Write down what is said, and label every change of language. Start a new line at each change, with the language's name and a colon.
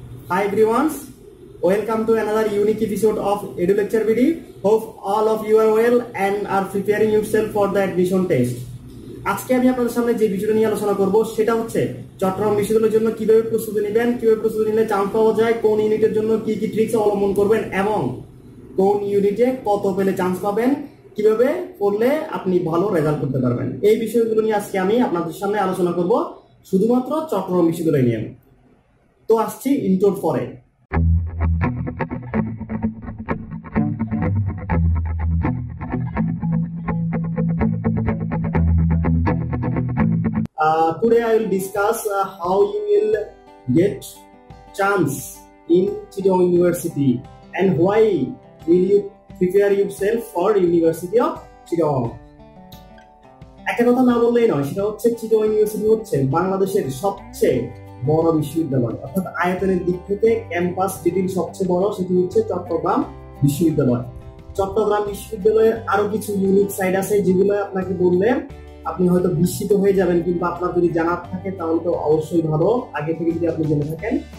English: Hi everyone, welcome to another unique episode of Edu Lecture BD. Hope all of you are well and are preparing yourself for the admission test.
Bangla: আজকে আমি আপনাদের সামনে যে বিষয়টা নিয়ে আলোচনা করব সেটা হচ্ছে চট্টগ্রাম বিশ্ববিদ্যালয়ের জন্য কিভাবে প্রস্তুতি নেবেন, কিভাবে প্রস্তুতি নিলে চান্স পাওয়া যায়, কোন ইউনিটের জন্য কি কি ট্রিক্স অবলম্বন করবেন এবং কোন ইউনিটে কত পেলে চান্স পাবেন, কিভাবে পড়লে আপনি ভালো রেজাল্ট করতে পারবেন, এই বিষয়গুলো নিয়ে আজকে আমি আপনাদের সামনে আলোচনা করব শুধুমাত্র চট্টগ্রাম বিশ্ববিদ্যালয় নিয়ে। তো আসছি ইন্টোর পরে।
English: Today I will discuss how you will get chance in Chittagong University and why will you prepare yourself for University of Chittagong.
Bangla: একটা কথা না বললেই নয়, সেটা হচ্ছে চিটাগং ইউনিভার্সিটি হচ্ছে বাংলাদেশের সবচেয়ে বড় বিশ্ববিদ্যালয়, অর্থাৎ আয়তনের দিক থেকে ক্যাম্পাস যেটির সবচেয়ে বড় সেটি হচ্ছে চট্টগ্রাম বিশ্ববিদ্যালয়। চট্টগ্রাম বিশ্ববিদ্যালয়ের আরো কিছু ইউনিক সাইড আছে যেগুলো আপনাকে বললে আপনি হয়তো বিস্মিত হয়ে যাবেন, কিন্তু আপনার যদি জানার থাকে তাহলে তো অবশ্যই ভালো, আগে থেকে যদি আপনি জেনে থাকেন।